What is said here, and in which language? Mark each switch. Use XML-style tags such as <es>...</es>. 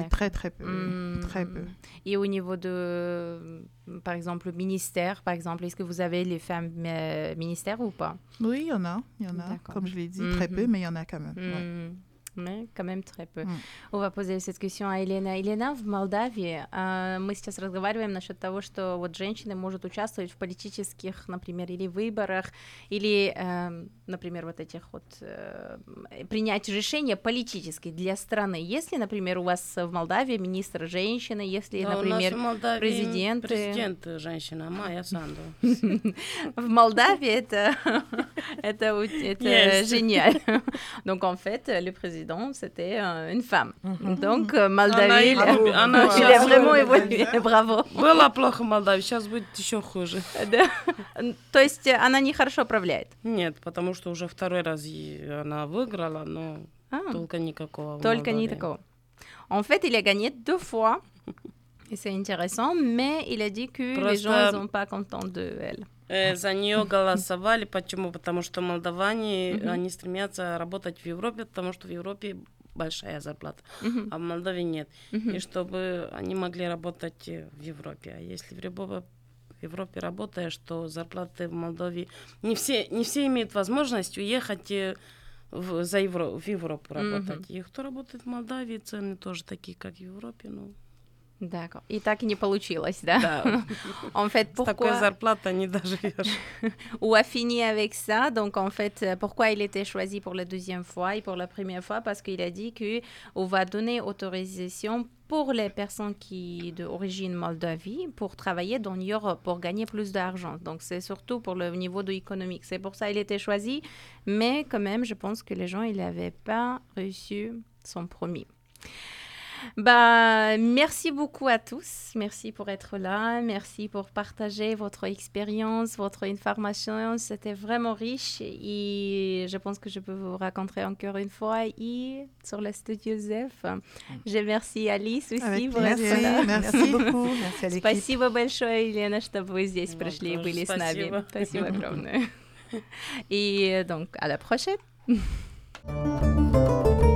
<fr>D'accord. C'est très, très peu. Très peu. Et au niveau de, par exemple, le ministère, par exemple, est-ce que vous avez les femmes ministères ou pas? Oui, il y en a. Il y en a, d'accord. Comme je l'ai dit, très peu, mais il y en a quand même. Mais quand même très peu. On va poser cette question à Елена.</fr> <ru>Елена, в Молдавии мы сейчас разговариваем насчет того, что вот женщины могут участвовать в политических, например, или выборах, или, например, вот этих вот принять решения политические для страны. Если, например, у вас в Молдавии министр женщина, если, да, например, у нас в Молдавии президент женщина, Майя Санду. В Молдавии это гениально.</ru> <fr>Donc en fait, le président c'était une femme. Donc, Молдавия, il a vraiment évolué. Bravo.</fr> <ru>Было плохо в Молдавии, сейчас будет еще хуже. Да. То есть, она не хорошо управляет? Нет, потому что уже второй раз она выиграла, но только никакого. Только никакого.</ru> <fr>En fait, il a gagné deux fois. Et c'est intéressant, mais il a dit que les gens ne sont pas contents d'elle.</fr> <ru>За нее голосовали. Почему? Потому что молдаване, они стремятся работать в Европе, потому что в Европе большая зарплата, а в Молдове нет. И чтобы они могли работать в Европе. А если в Европе работаешь, то зарплаты в Молдове... Не все имеют возможность уехать в Европу работать. И кто работает в Молдавии, цены тоже такие, как в Европе, но...</ru> <fr>D'accord.</fr> <ru>И так и не получилось, да? Да.</ru> <fr>En fait, пourquoi...</fr> <ru>С такой зарплатой не доживешь.</ru> <fr>Ou a fini avec ça. Donc, en fait, pourquoi il était choisi pour la deuxième fois et pour la première fois? Parce qu'il a dit qu'on va donner autorisation pour les personnes qui d'origine Moldavie pour travailler dans l'Europe, pour gagner plus d'argent. Donc, c'est surtout pour le niveau de économique. C'est pour ça qu'il était choisi. Mais quand même, je pense que les gens, ils n'avaient pas reçu son promis. Bah, merci beaucoup à tous, merci pour être là, merci pour partager votre expérience, votre information, c'était vraiment riche et je pense que je peux vous rencontrer encore une fois et sur le studio Zef. Je remercie Alice aussi. Avec pour plaisir, être là. Merci beaucoup, merci à l'équipe.</fr> <ru>Спасибо большое, Елена, что вы здесь пришли и были с нами. Спасибо огромное.</ru> <fr>Et donc, à la prochaine.</fr>